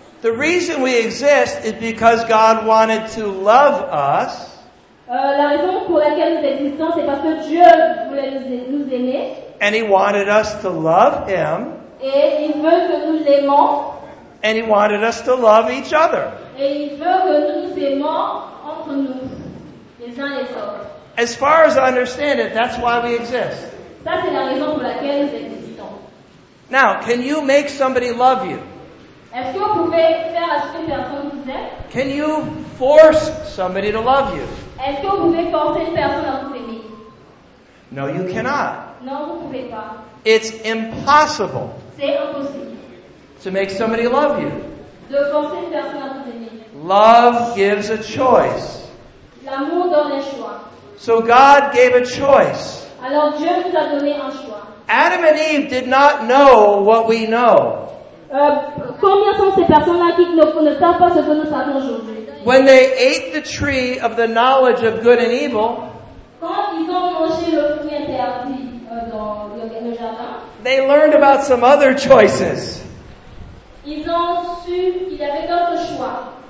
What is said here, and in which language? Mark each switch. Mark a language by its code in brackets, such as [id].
[en] The reason we exist is because God wanted to love us. [fr] La raison pour laquelle nous existons, c'est parce que Dieu voulait nous aimer. [en] And He wanted us to love Him. [fr] Et il veut que nous l'aimons. [en] And He wanted us to love each other. [fr] Et il veut que nous nous aimons entre nous, les uns les autres. [en] As far as I understand it, that's why we exist. [fr] Ça, c'est la raison pour laquelle nous existons. [en] Now, can you make somebody love you? [fr] Est-ce que vous pouvez faire à ce que personne vous aime? [en] Can you force somebody to love you? [fr] Est-ce que vous pouvez forcer une personne à vous aimer? [en] No, you cannot. [fr] Non, vous pouvez pas. [en] It's impossible. [fr] C'est impossible. [en] To make somebody love you. [fr] De forcer une personne à vous aimer. [en] Love gives a choice. [fr] L'amour donne un choix. [en] So God gave a choice. [fr] Alors Dieu vous a donné un choix. [en] Adam and Eve did not know what we know. [fr] Combien sont ces personnes-là qui ne savent pas ce que nous savons aujourd'hui? [en] When they ate the tree of the knowledge of good and evil, [fr] quand ils ont mangé le fruit interdit dans le jardin, [en] they learned about some other choices. [fr] Ils ont su qu'il y avait d'autres choix.